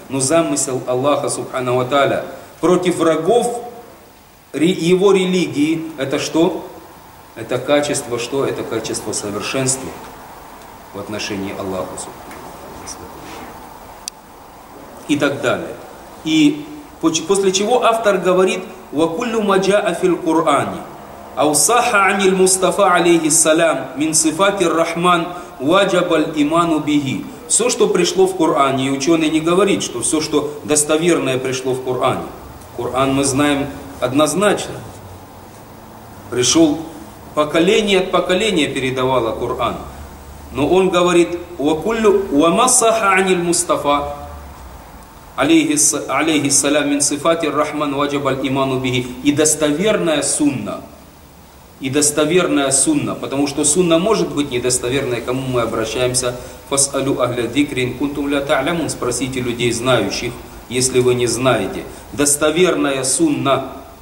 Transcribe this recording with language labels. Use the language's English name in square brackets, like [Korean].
[Russian] Но замысел Аллаха Субханаху ва Тааля против врагов, его религии, это что? Это качество что? Это качество совершенства в отношении Аллаха и так далее. И после чего автор говорит [Arabic] وَكُلُّ مَجَاءَ فِي الْقُرْآنِ أَوْصَحَ عَنِ الْمُصْطَفَى عَلَيْهِ السَّلَامِ مِنْ صِفَاتِ الرَّحْمَنِ وَجَبَ الْإِمَانُ بِهِ. [Russian] Все, что пришло в Коране, и ученый не говорит, что все, что достоверное пришло в Коране. Коран мы знаем однозначно. Пришел, поколение от поколения передавало Коран. Но он говорит [Arabic] وَكُلُّ وَمَصَحَ عَنِ الْمُصْطَفَى عليه السلام من صفات الرحمن واجب الإيمان به. [Russian] И достоверная сунна. И достоверная сунна. Потому что сунна может быть недостоверной, кому мы обращаемся. [Arabic] فَسْأَلُوا أَهْلَ ذِكْرٍ كُنْتُمْ لَا تَعْلَمُونَ. [Russian] Спросите людей знающих, если вы не знаете. Достоверная сунна.